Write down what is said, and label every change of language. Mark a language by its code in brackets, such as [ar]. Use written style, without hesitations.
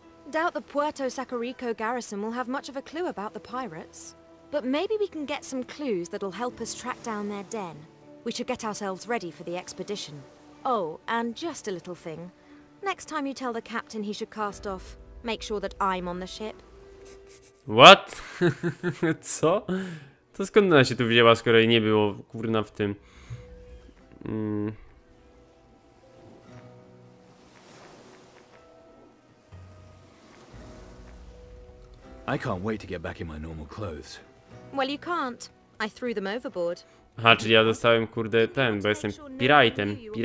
[en] Doubt the Puerto Sacarico garrison will have much of a clue about the pirates. But maybe we can get some clues that'll help us track down their den. We should get ourselves ready for the expedition. Oh, and just a little thing. Next time you tell the captain he should cast off, make sure that I'm on the ship. What? Co? [pl] To skąd ona się tu wzięła, skoro jej nie było, kurna, w tym... [en] I can't wait to get back in my normal clothes. Well, you can't. I threw them overboard. [pl] Ha, czyli ja dostałem kurde ten, bo jestem piratem.